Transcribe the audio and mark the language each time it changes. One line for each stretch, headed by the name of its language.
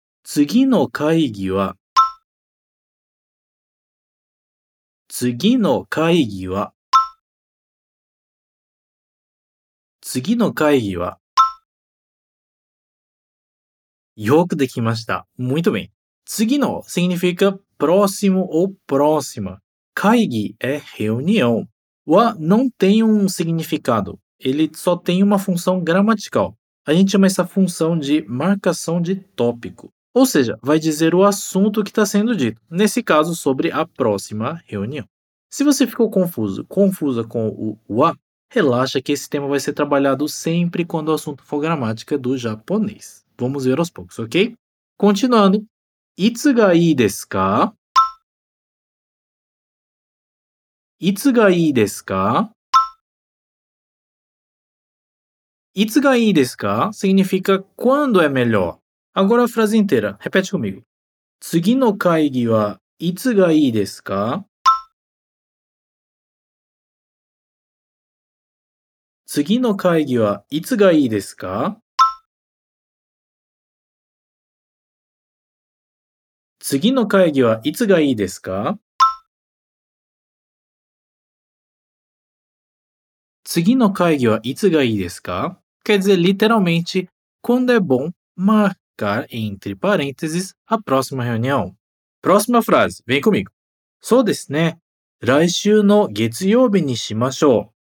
Japanese: 次の会議は次の会議は次の会議はよくできました。
Portuguese: Muito bem. 次の significa próximo ou próxima. 会議 é reunião. は não tem um significado. Ele só tem uma função gramatical. A gente chama essa função de marcação de tópico. Ou seja, vai dizer o assunto que está sendo dito. Nesse caso, sobre a próxima reunião. Se você ficou confuso, confusa com o wa, relaxa que esse tema vai ser trabalhado sempre quando o assunto for gramática do japonês. Vamos ver aos poucos, ok? Continuando.
Japanese: Itsu ga ii desu ka? Itsu ga ii desu ka? いつがいいですか?
Portuguese: Significa quando é melhor. Agora a frase inteira. Repete comigo.
Japanese: 次の会議はいつがいいですか? 次の会議はいつがいいですか? 次の会議はいつがいいですか? 次の会議はいつがいいですか?
Portuguese: Quer dizer, literalmente, quando é bom marcar, entre parênteses, a próxima reunião. Próxima frase, vem comigo.
Japanese: そうですね。来週の月曜日にしましょう。